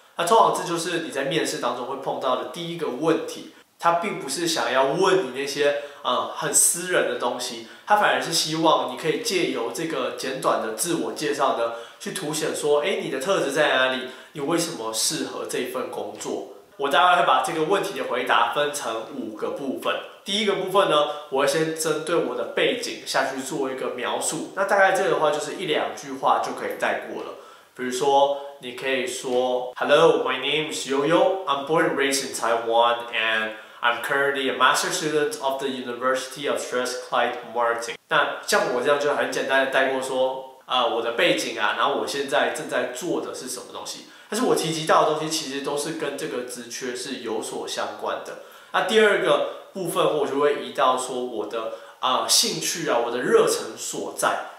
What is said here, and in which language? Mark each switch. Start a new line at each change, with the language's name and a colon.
Chinese: 那通常这就是你在面试当中会碰到的第一个问题，他并不是想要问你那些很私人的东西，他反而是希望你可以借由这个简短的自我介绍呢，去凸显说，哎，你的特质在哪里？你为什么适合这份工作？我大概会把这个问题的回答分成五个部分。第一个部分呢，我会先针对我的背景下去做一个描述，那大概这个的话就是一两句话就可以带过了。比如说，你可以说
English: ，Hello, my name is Yoyo. I'm born and raised in Taiwan, and I'm currently a master student of the University of Strathclyde Marketing.
Chinese: 那像我这样就很简单的带过说，我的背景啊，然后我现在正在做的是什么东西。但是我提及到的东西其实都是跟这个职缺是有所相关的。那第二个部分，我就会移到说我的兴趣啊，我的热忱所在。